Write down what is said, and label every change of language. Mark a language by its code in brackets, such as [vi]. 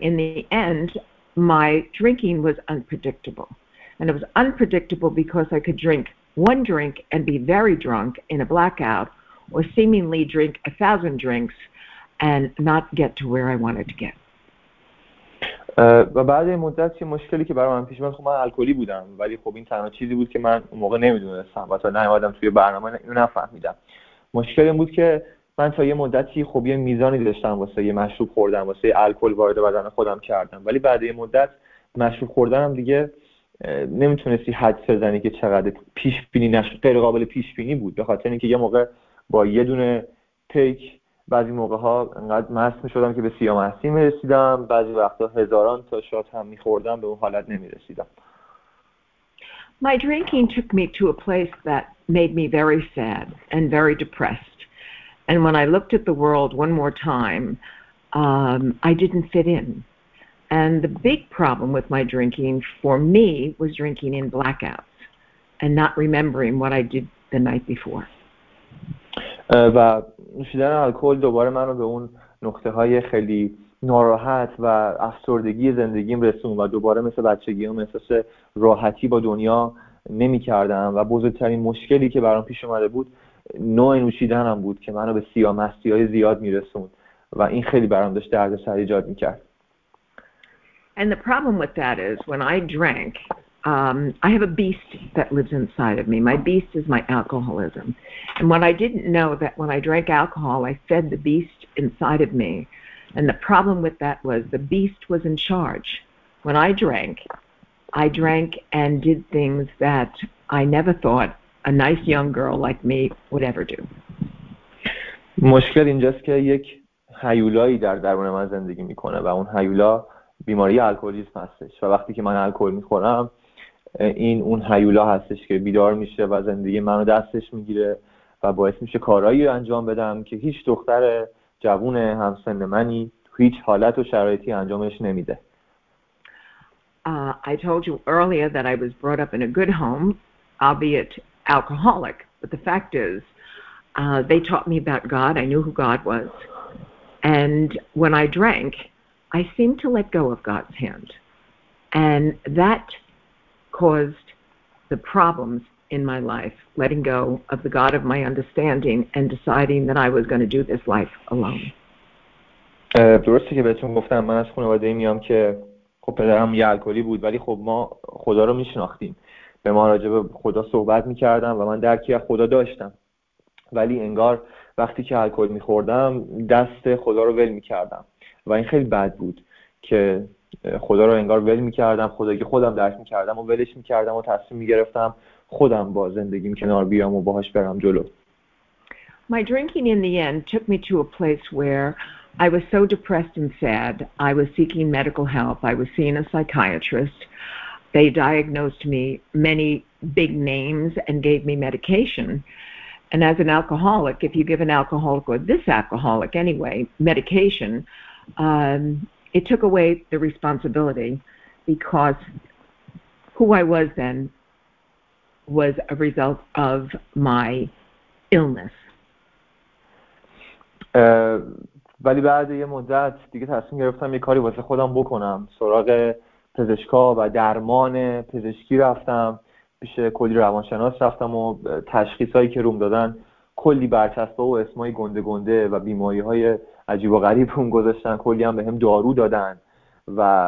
[en] In the end, my drinking was unpredictable. And it was unpredictable because I could drink one drink and be very drunk in a blackout, or seemingly drink 1,000 drinks and not get to where I wanted to get. [fa] و بعد این مدت چه مشکلی که برای من پیش اومد، خب من الکلی بودم، ولی خب این تنها چیزی بود که من اون موقع نمیدونستم و تا نیومدم توی برنامه اینو نفهمیدم. مشکل این بود که من تا یه مدتی خب یه میزانی داشتم واسه یه مشروب خوردم، واسه یه الکل وارد بدن خودم کردم، ولی بعد یه مدت مشروب خوردنم دیگه نمیتونستی حد بزنی که چقدر پیش بینی نشد، غیر قابل پیش بینی بود، به خاطر اینکه یه موقع با یه دونه پیک بعضی موقع ها انقدر مست می شدم که به سیاه مستی می رسیدم، بعضی وقتا هزاران تا شات هم می خوردم به اون حالت نمی رسیدم. [en] My drinking took me to a place that made me very sad and very depressed. And when I looked at the world one more time, I didn't fit in. And the big problem with my drinking for me was drinking in blackouts and not remembering what I did the night before. [fa] و نوشیدن الکل دوباره من رو به اون نقطه های خیلی ناراحت و افسردگی زندگیم رسوند و دوباره مثل بچگی هم احساس راحتی با دنیا نمی کردم و بزرگترین مشکلی که برام پیش اومده بود نوع نوشیدنم بود که من رو به سیاه مستی های زیاد می رسوند و این خیلی برام داشت درد سر ایجاد می کرد. [en] And the problem with that is when I drank, I have a beast that lives inside of me. My beast is my alcoholism. And what I didn't know that when I drank alcohol, I fed the beast inside of me. And the problem with that was the beast was in charge. When I drank and did things that I never thought a nice young girl like me would ever do. [fa] مشکل اینجاست که یک هیولایی در درون من زندگی میکنه و اون هیولا بیماری الکلیسم هستش و وقتی که من الکل میخورم این اون هیولا هستش که بیدار میشه و زندگی منو دستش میگیره و باعث میشه کارهایی رو انجام بدم که هیچ دختر جوون همسن منی هیچ حالت و شرایطی انجامش نمیده. [en] I told you earlier that I was brought up in a good home, albeit alcoholic, but the fact is they taught me about God. I knew who God was. And when I drank, I seemed to let go of God's hand. And that caused the problems in my life, letting go of the God of my understanding and deciding that I was going to do this life alone. [fa] درسته که بهتون گفتم من از خانواده میام که خب پدرم یه الکلی بود، ولی خب ما خدا رو میشناختیم، به ما راجع به خدا صحبت میکردم و من درکی از خدا داشتم، ولی انگار وقتی که الکل میخوردم دست خدا رو ول میکردم و این خیلی بد بود که خدا رو انگار ول می‌کردم، خدایی که خودم درک می‌کردم و ولش می‌کردم و تصمیم می‌گرفتم خودم با زندگیم کنار بیام و باهاش برم جلو. [en] My drinking in the end took me to a place where I was so depressed and sad. I was seeking medical help. I was seeing a psychiatrist. They diagnosed me many big names and gave me medication. And as an alcoholic, if you give an alcoholic or this alcoholic anyway, medication, it took away the responsibility because who I was then was a result of my illness. [fa] ولی بعد یه مدت دیگه تصمیم گرفتم یه کاری واسه خودم بکنم. سراغ پزشکا و درمان پزشکی رفتم. پیش کلی روانشناس رفتم و تشخیصایی که روم دادن کلی برچسبا و اسمای گنده گنده و بیماری های عجیب و غریب اون گذاشتن، کلی هم به هم دارو دادن و